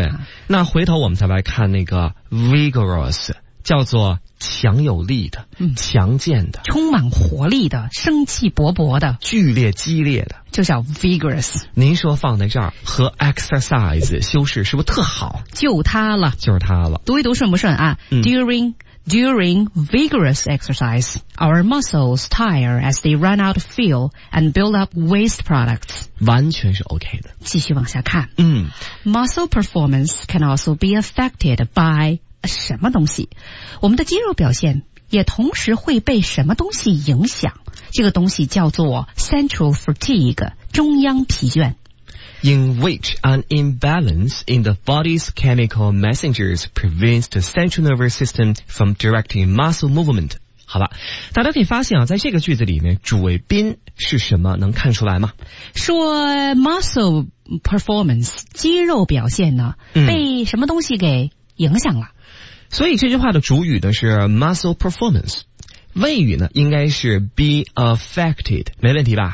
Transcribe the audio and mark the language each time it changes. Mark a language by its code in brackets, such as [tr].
[zh] 对，那回头我们再来看那个 vigorous， 叫做强有力的、强健的、充满活力的、生气勃勃的、剧烈激烈的，就叫 vigorous。您说放在这儿和 exercise 修饰是不是特好？就它了，就是它了。读一读顺不顺啊、 [en] During vigorous exercise, our muscles tire as they run out of fuel and build up waste products. [zh] 完全是 OK 的。继续往下看。嗯。 [en] Muscle performance can also be affected by [zh] 什么东西？我们的肌肉表现也同时会被什么东西影响？这个东西叫做 [en] central fatigue, [zh] 中央疲倦。 [en] In which an imbalance in the body's chemical messengers prevents the central nervous system from directing muscle movement. [zh] 好吧，大家可以发现啊，在这个句子里面，主谓宾是什么？能看出来吗？说 muscle performance 肌肉表现呢，被什么东西给影响了？所以这句话的主语呢是 muscle performance。谓语呢应该是 be affected， 没问题吧？